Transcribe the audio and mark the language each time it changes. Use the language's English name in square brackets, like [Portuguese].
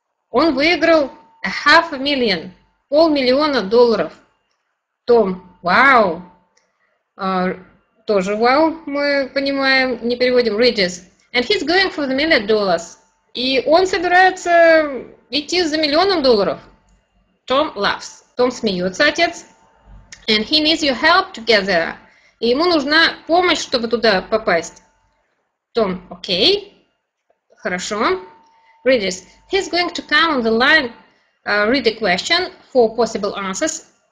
[Russian] Он выиграл $500,000. Полмиллиона долларов. Том, wow. Тоже вау, мы понимаем, не переводим. [English] Bridges. And he's going for the $1,000,000. [Russian] И он собирается идти за миллионом долларов. [English] Tom laughs. [Russian] Том смеется, отец. [English] And he needs your help to get there. [Russian] И ему нужна помощь, чтобы туда попасть. Том, окей. Хорошо. Bridges. [English] He's going to come on the line, read the question for possible answers.